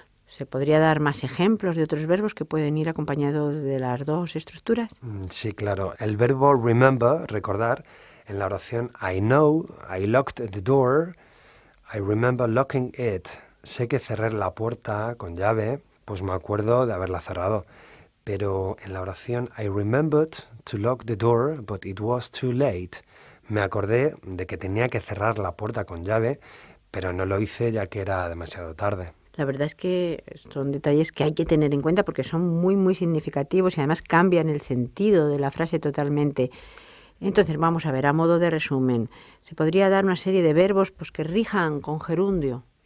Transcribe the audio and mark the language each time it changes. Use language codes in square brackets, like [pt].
[es] ¿Se podría dar más ejemplos de otros verbos que pueden ir acompañados de las dos estructuras? Sí, claro. El verbo [en] remember, [es] recordar, en la oración [en] I know I locked the door, I remember locking it. [es] Sé que cerré la puerta con llave, pues me acuerdo de haberla cerrado. Pero en la oración [en] I remembered to lock the door, but it was too late. [es] Me acordé de que tenía que cerrar la puerta con llave, pero no lo hice ya que era demasiado tarde. La verdad es que son detalles que hay que tener en cuenta porque son muy, muy significativos y además cambian el sentido de la frase totalmente. Entonces, vamos a ver, a modo de resumen, ¿se podría dar una serie de verbos pues, que rijan con gerundio?